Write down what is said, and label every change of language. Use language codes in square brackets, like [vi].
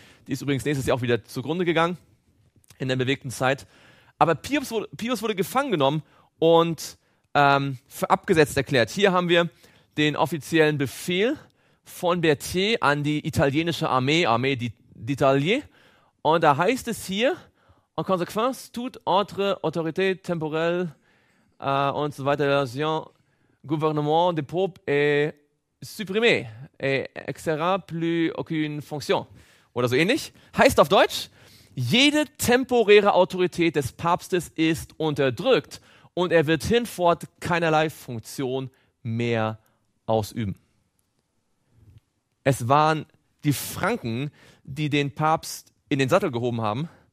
[de] Die ist übrigens nächstes Jahr auch wieder zugrunde gegangen in der bewegten Zeit. Aber Pius wurde gefangen genommen und für abgesetzt erklärt. Hier haben wir den offiziellen Befehl von Berthier an die italienische Armee d'Italie. Und da heißt es hier, [fr] en conséquence, toute autre autorité temporelle [de] und so weiter, [fr] le gouvernement de Pope est supprimé et exercera plus aucune fonction. [de] Oder so ähnlich. Heißt auf Deutsch, jede temporäre Autorität des Papstes ist unterdrückt. Und er wird hinfort keinerlei Funktion mehr ausüben. Es waren die Franken, die den Papst in den Sattel gehoben haben.